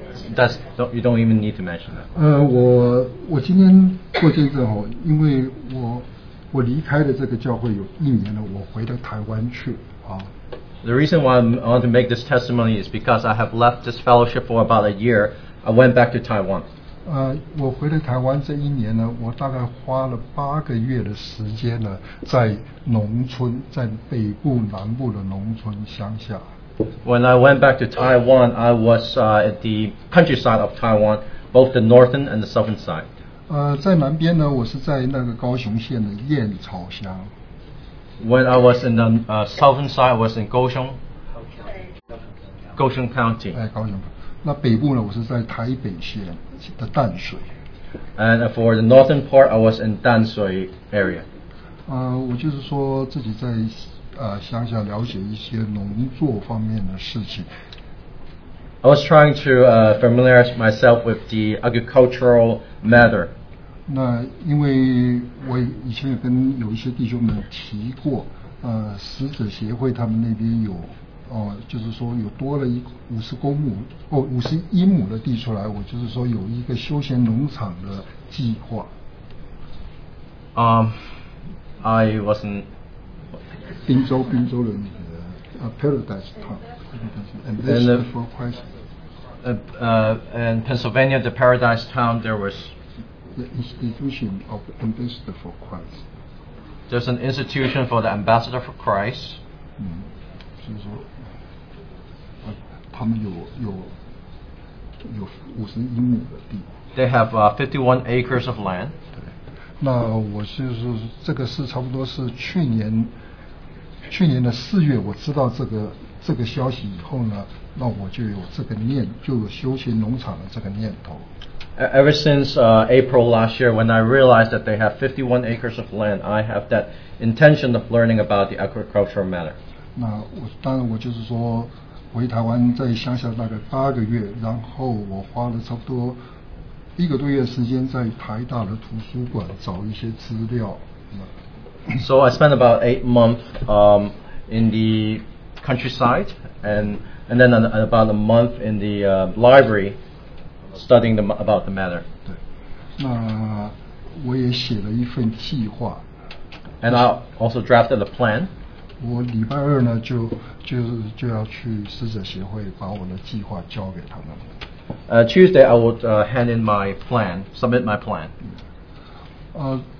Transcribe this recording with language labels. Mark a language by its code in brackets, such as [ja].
[en] That's you don't even need to mention that. [zh] 我今天做见证哦，因为我离开了这个教会有一年了，我回到台湾去啊。 [en] The reason why I want to make this testimony is because I have left this fellowship for about a year. I went back to Taiwan. [zh] 我回到台湾这一年呢，我大概花了八个月的时间呢，在农村，在北部、南部的农村乡下。 [en] When I went back to Taiwan, I was at the countryside of Taiwan, both the northern and the southern side. [zh] 在南边呢，我是在那个高雄县的燕巢乡。 [en] When I was in the southern side, I was in Kaohsiung. Kaohsiung County. [zh] 高雄。那北部呢，我是在台北县的淡水。 [en] And for the northern part, I was in 淡水 area. [zh] 我就是说自己在。乡下了解一些农作方面的事情。 [en] I was trying to familiarize myself with the agricultural matter. [zh] 那因为我以前跟有一些弟兄们提过，使者协会他们那边有，就是说有多了五十一亩的地出来，我就是说有一个休闲农场的计划。 [en] I wasn't. [zh] 滨州的那个 [en] Paradise Town, and this is for question. In Pennsylvania, the Paradise Town, there was the institution of the Ambassador for Christ. There's an institution for the Ambassador for Christ. [zh] 就是说，他们有五十一亩的地。 [en] They have 51 acres of land. [zh] 对，那我就是这个是差不多是去年。去年的四月我知道这个消息以后呢，那我就有这个念，就有休闲农场的这个念头。 [en] Ever since April last year, when I realized that they have 51 acres of land, I have that intention of learning about the agricultural matter. [zh] 那我当然我就是说回台湾在乡下大概八个月，然后我花了差不多一个多月时间在台大的图书馆找一些资料。 [en] So I spent about 8 months in the countryside and then about a month in the library studying about the matter. [zh] 对，那我也写了一份计划。 [en] And I also drafted a plan. [zh] 我礼拜二呢就要去使者协会把我的计划交给他们。 [en] Tuesday I would hand in my plan, submit my plan.